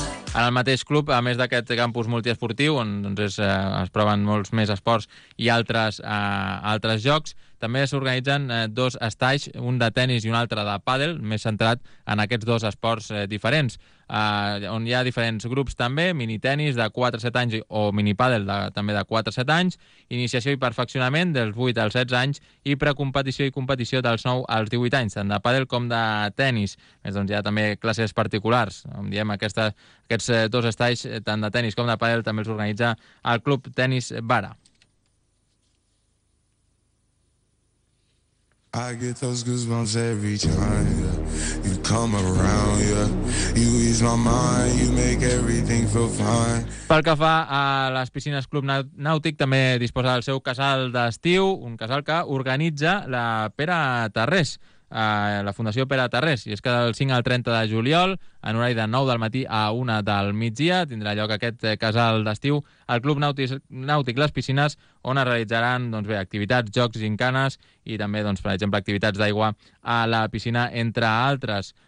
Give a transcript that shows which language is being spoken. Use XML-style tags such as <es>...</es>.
<ca>En el mateix club, a més d'aquest campus multiesportiu, on, doncs, es proven molts més esports i altres jocs, també s'organitzen dos estais, un de tennis i un altre de pàdel, més centrat en aquests dos esports diferents, on hi ha diferents grups també, mini-tennis de 4 a 7 anys o mini-pàdel també de 4 a 7 anys, iniciació i perfeccionament dels 8 als 16 anys i precompetició i competició dels 9 als 18 anys, tant de pàdel com de tennis. A més, doncs, hi ha també classes particulars. Com diem, aquests dos estais, tant de tennis com de pàdel, també els organitza el Club Tenis Barà.</ca> <en>I get those goosebumps every time, yeah. You come around, yeah. You ease my mind, you make everything feel fine.</en> <ca>Pel que fa a les piscines Club Nàutic, també disposa del seu casal d'estiu, un casal que organitza la Pere Tarrés, la Fundació Pere Tarrés, i és que del 5 al 30 de juliol, en horari de 9 del matí a 1 del migdia, tindrà lloc aquest casal d'estiu al Club Nàutic Les Piscines, on es realitzaran, doncs bé, activitats, jocs, gincanes i també, doncs, per exemple, activitats d'aigua a la piscina, entre altres.</ca>